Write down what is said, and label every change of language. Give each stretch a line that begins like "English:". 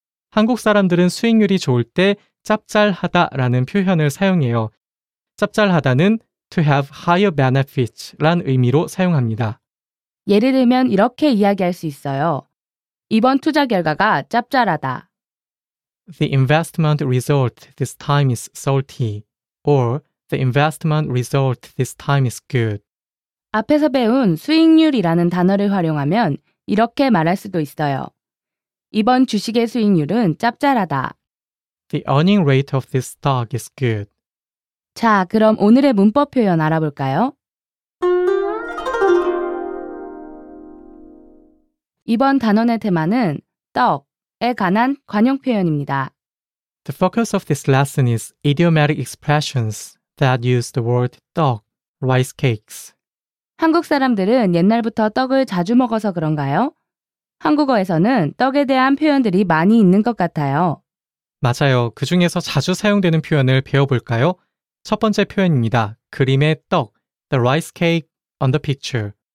Korean: 한국 사람들은 수익률이 좋을 때 짭짤하다라는 표현을 사용해요. 짭짤하다는
English: to have higher benefits
Korean: 란 의미로 사용합니다. 예를 들면 이렇게 이야기할 수 있어요. 이번 투자 결과가 짭짤하다.
English: The investment result this time is salty. Or the investment result this time is good.
Korean: 앞에서 배운 수익률이라는 단어를 활용하면 이렇게 말할 수도 있어요. 이번 주식의 수익률은 짭짤하다.
English: The earning rate of this stock is good.
Korean: 자, 그럼 오늘의 문법 표현 알아볼까요? 이번 단원의 테마는 떡에 관한 관용 표현입니다.
English: The focus of this lesson is idiomatic expressions that use the word 떡, rice cakes.
Korean: 한국 사람들은 옛날부터 떡을 자주 먹어서 그런가요? 한국어에서는 떡에 대한 표현들이 많이 있는 것 같아요. 맞아요. 그 중에서 자주 사용되는 표현을 배워볼까요? 첫 번째 표현입니다. 그림의 떡,
English: the rice cake on the picture.